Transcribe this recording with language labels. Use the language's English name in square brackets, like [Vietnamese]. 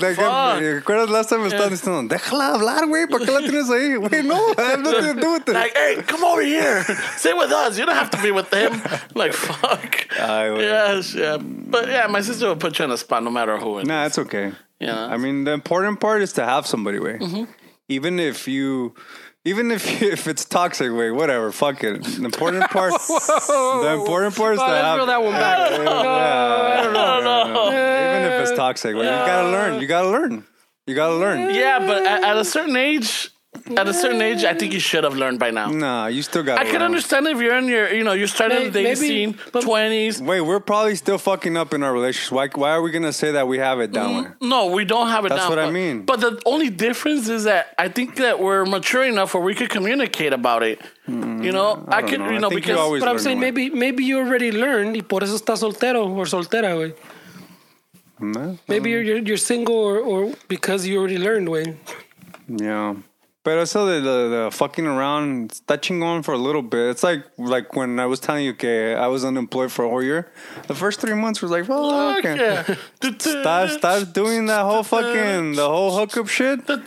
[English] Like, [Spanish] ¿recuerdas [English] last time [Spanish] estaban diciendo, déjala hablar, güey? ¿Por qué la tienes ahí? [English] Wey, no, I have nothing to do with it. Like, hey, come over here. Stay with us. You don't have to be with them. Like, fuck. But yeah, my sister will put you in a spot no matter who. Nah, it's okay. Yeah. I mean, the important part is to have somebody, way. Even if it's toxic, wait, whatever, fuck it. The important part is that. Let's reel that one back. Even if it's toxic, you gotta learn. Yeah, but at a certain age, I think you should have learned by now. Nah, you still got. I can understand if you're in your, you know, you're starting the dating scene, 20s. Wait, we're probably still fucking up in our relationships. Why are we gonna say that we have it down? No, we don't have it. That's down. That's what I mean. But the only difference is that I think that we're mature enough where we could communicate about it. You know, I'm saying maybe you already learned. [Spanish] Y por eso estás soltero [English] or [Spanish] soltera, güey. [English] Maybe you're single or because you already learned, güey. Yeah. But also the fucking around, touching on for a little bit. It's like when I was telling you okay, I was unemployed for a whole year. The first 3 months was like, oh, okay. Start doing that whole fucking, the whole hookup shit.